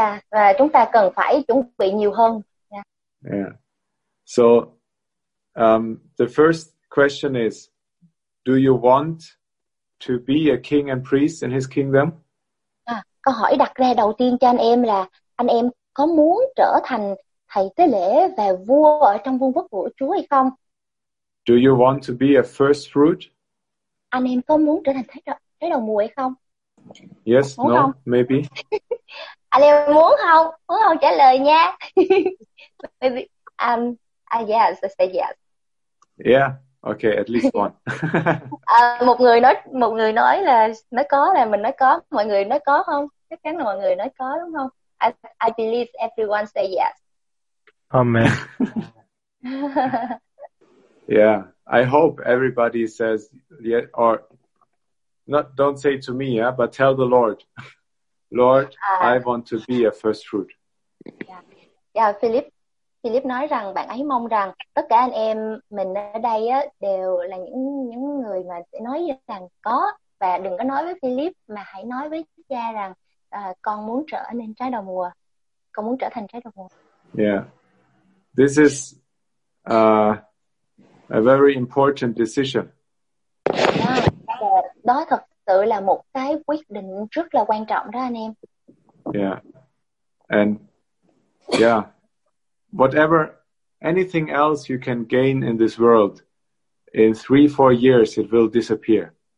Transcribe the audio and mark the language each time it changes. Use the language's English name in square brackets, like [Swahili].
[Vietnamese] Và chúng ta cần phải chuẩn bị nhiều hơn. [English] So the first question is, do you want to be a king and priest in his kingdom? [Vietnamese] À, câu hỏi đặt ra đầu tiên cho anh em có muốn trở thành thầy tế lễ và vua ở trong vương quốc của Chúa hay không? [English] Do you want to be a first fruit? [Vietnamese] Anh em có muốn trở thành thấy đầu mùa hay không? [English] Yes, [Vietnamese] muốn [English] no, [Vietnamese] không? [English] Maybe. [Vietnamese] Anh em muốn không? Muốn không trả lời nha. [English] Maybe. Yes, I say yes. Yeah. Okay, at least one. [Vietnamese] một người nói là nó có là mình nói có, mọi người nói có không? Chắc chắn là mọi người nói có đúng không? [English] I believe everyone say yes. Amen. Yeah, I hope everybody says yes, or not. Don't say to me, yeah, but tell the Lord, Lord, I want to be a first fruit. Yeah, Philip. [Vietnamese] Philip nói rằng bạn ấy mong rằng tất cả anh em mình ở đây á, đều là những người mà sẽ nói rằng có, và đừng có nói với Philip mà hãy nói với cha rằng con muốn trở nên trái đầu mùa, con muốn trở thành trái đầu mùa. [English] Yeah, this is a very important decision. [Vietnamese] Đó thật sự là một cái quyết định rất là quan trọng đó anh em. [English] Yeah, and yeah. Whatever, anything else you can gain in this world, in 3-4 years, it will disappear.